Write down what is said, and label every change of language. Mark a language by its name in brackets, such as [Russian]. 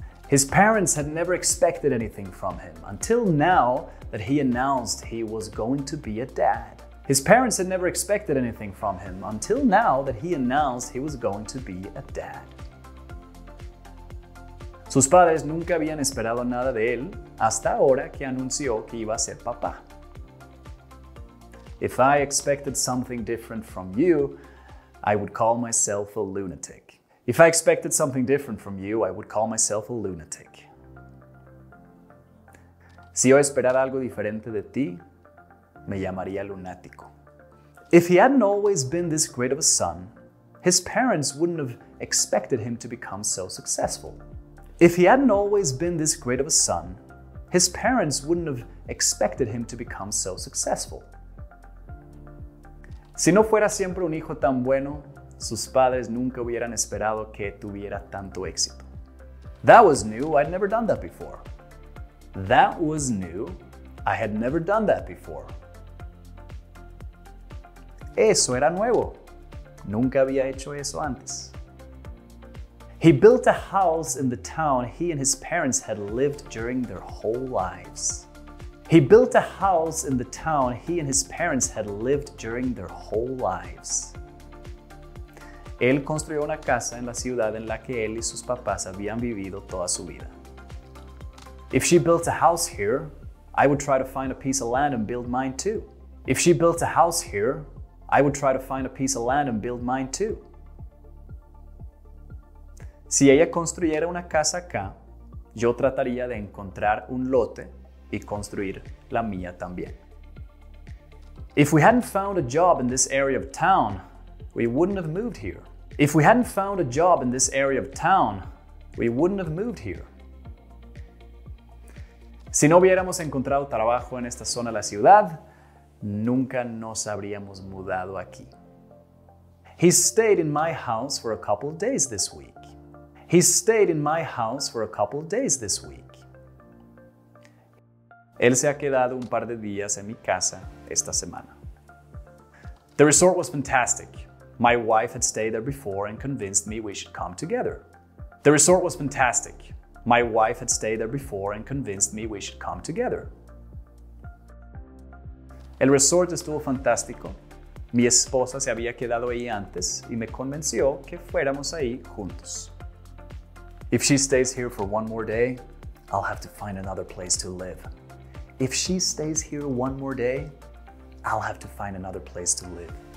[English] His parents had never expected anything from him until now that he announced he was going to be a dad. His parents had never expected anything from him until now that he announced he was going to be a dad. [Spanish] Sus padres nunca habían esperado nada de él hasta ahora que anunció que iba a ser papá. [English] If I expected something different from you, I would call myself a lunatic. If I expected something different from you, I would call myself a lunatic. [Spanish] Si yo esperara algo diferente de ti, me llamaría lunático. [English] If he hadn't always been this great of a son, his parents wouldn't have expected him to become so successful. If he hadn't always been this great of a son, his parents wouldn't have expected him to become so successful. [Spanish] Si no fuera siempre un hijo tan bueno, sus padres nunca hubieran esperado que tuviera tanto éxito. [English] That was new. I'd never done that before. That was new. I had never done that before. [Spanish] Eso era nuevo. Nunca había hecho eso antes. [English] He built a house in the town he and his parents had lived during their whole lives. He built a house in the town he and his parents had lived during their whole lives. [Spanish] Él construyó una casa en la ciudad en la que él y sus papás habían vivido toda su vida. [English] If she built a house here, I would try to find a piece of land and build mine too. If she built a house here, I would try to find a piece of land and build mine too. [Spanish] Si ella construyera una casa acá, yo trataría de encontrar un lote y construir la mía también. [English] If we hadn't found a job in this area of town, we wouldn't have moved here. If we hadn't found a job in this area of town, we wouldn't have moved here. [Spanish] Si no hubiéramos encontrado trabajo en esta zona de la ciudad, nunca nos habríamos mudado aquí. [English] He stayed in my house for a couple of days this week. He stayed in my house for a couple of days this week. [Spanish] Él se ha quedado un par de días en mi casa esta semana. [English] The resort was fantastic. My wife had stayed there before and convinced me we should come together. The resort was fantastic. My wife had stayed there before and convinced me we should come together. [Spanish] El resort estuvo fantástico. Mi esposa se había quedado ahí antes y me convenció que fuéramos ahí juntos. [English] If she stays here for one more day, I'll have to find another place to live. If she stays here one more day, I'll have to find another place to live.